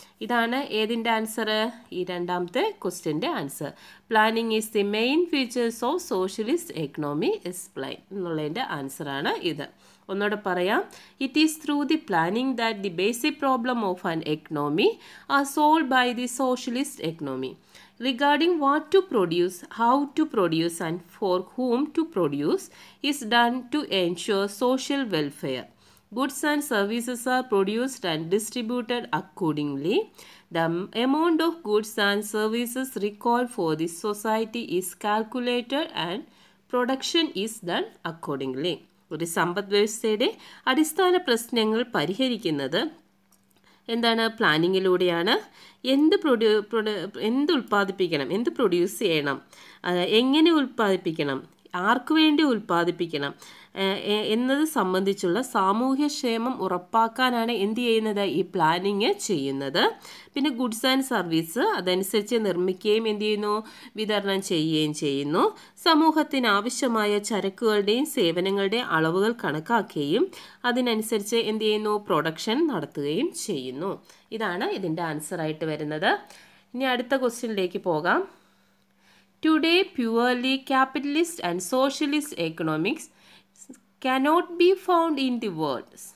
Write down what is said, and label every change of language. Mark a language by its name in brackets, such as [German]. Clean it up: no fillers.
[Malayalam] ഇതാണ് ഏതിൻ്റെ ആൻസറ്, ഈ രണ്ടാമത്തെ ക്വസ്റ്റ്യൻ്റെ answer. [English] planning is the main features of socialist economy explain [Malayalam] എന്നുള്ളതിൻ്റെ ആൻസറാണ് ഇത്. ഒന്നുകൂടെ പറയാം, [English] It is through the planning that the basic problem of an economy are solve by the socialist economy. Regarding what to produce, how to produce and for whom to produce is done to ensure social welfare. Goods and services are produced and distributed accordingly. The amount of goods and services required for this society is calculated and production is done accordingly. [Malayalam] ഒരു സമ്പദ് വ്യവസ്ഥയുടെ അടിസ്ഥാന പ്രശ്നങ്ങൾ പരിഹരിക്കുന്നത് എന്താണ്, പ്ലാനിങ്ങിലൂടെയാണ്. എന്ത് എന്ത് ഉൽപ്പാദിപ്പിക്കണം, എന്ത് പ്രൊഡ്യൂസ് ചെയ്യണം, എങ്ങനെ ഉൽപ്പാദിപ്പിക്കണം, ആർക്ക് വേണ്ടി ഉൽപ്പാദിപ്പിക്കണം എന്നത് സംബന്ധിച്ചുള്ള സാമൂഹ്യക്ഷേമം ഉറപ്പാക്കാനാണ് എന്ത് ചെയ്യുന്നത്, ഈ പ്ലാനിങ് ചെയ്യുന്നത്. പിന്നെ ഗുഡ്സ് ആൻഡ് സർവീസ് അതനുസരിച്ച് നിർമ്മിക്കുകയും എന്ത് ചെയ്യുന്നു, വിതരണം ചെയ്യുകയും ചെയ്യുന്നു. സമൂഹത്തിന് ആവശ്യമായ ചരക്കുകളുടെയും സേവനങ്ങളുടെയും അളവുകൾ കണക്കാക്കുകയും അതിനനുസരിച്ച് എന്ത് ചെയ്യുന്നു, പ്രൊഡക്ഷൻ നടത്തുകയും ചെയ്യുന്നു. ഇതാണ് ഇതിൻ്റെ ആൻസറായിട്ട് വരുന്നത്. ഇനി അടുത്ത ക്വസ്റ്റ്യനിലേക്ക് പോകാം. [English] Today, purely capitalist and socialist economics cannot be found in the world.